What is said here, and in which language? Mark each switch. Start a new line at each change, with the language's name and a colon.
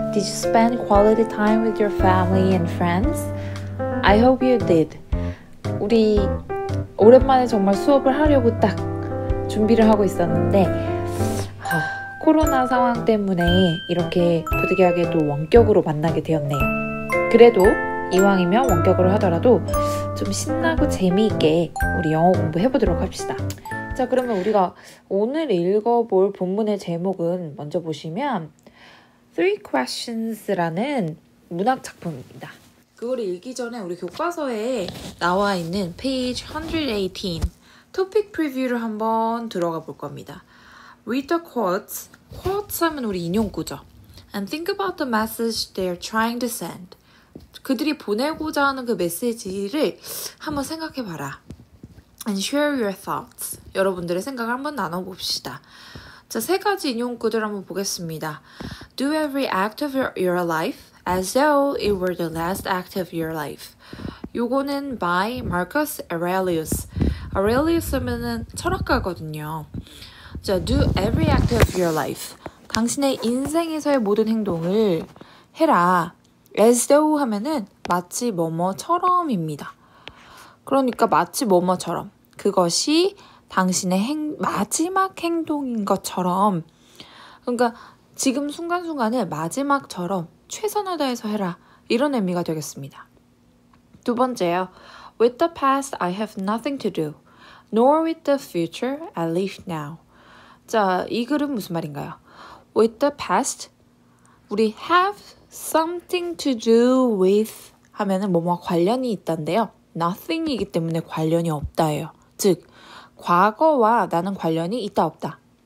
English: Did you spend quality time with your family and friends? I hope you did.
Korean: 우리 오랜만에 정말 수업을 하려고 딱 준비를 하고 있었는데 코로나 상황 때문에 이렇게 부득이하게도 원격으로 만나게 되었네요. 그래도 이왕이면 원격으로 하더라도 좀 신나고 재미있게 우리 영어 공부해보도록 합시다. 자, 그러면 우리가 오늘 읽어볼 본문의 제목은 먼저 보시면 Three Questions라는 문학 작품입니다. 그걸 읽기 전에 우리 교과서에 나와있는 페이지 118 토픽 프리뷰를 한번 들어가 볼 겁니다.
English: Read the quotes. Quotes
Korean: 하면 우리 인용구죠.
English: And think about the message they're trying to send.
Korean: 그들이 보내고자 하는 그 메시지를 한번 생각해봐라.
English: And share your thoughts.
Korean: 여러분들의 생각을 한번 나눠봅시다. 자, 세 가지 인용구들 한번 보겠습니다.
English: Do every act of your life as though it were the last act of your life.
Korean: 요거는 by Marcus Aurelius. Aurelius 하면은 철학가거든요.
English: 자, do every act of your life.
Korean: 당신의 인생에서의 모든 행동을 해라. As though 하면은 마치 뭐뭐처럼입니다. 그러니까 마치 뭐뭐처럼. 그것이 당신의 마지막 행동인 것처럼. 그러니까 지금 순간순간을 마지막처럼 최선을 다해서 해라. 이런 의미가 되겠습니다. 두 번째요.
English: With the past, I have nothing to do. Nor with the future, at least now.
Korean: 자, 이 글은 무슨 말인가요?
English: With the past, 우리 have something to do with
Korean: 하면은 뭐뭐와 관련이 있다인데요. Nothing이기 때문에 관련이 없다예요. 즉, 과거와 나는 관련이 있다, 없다.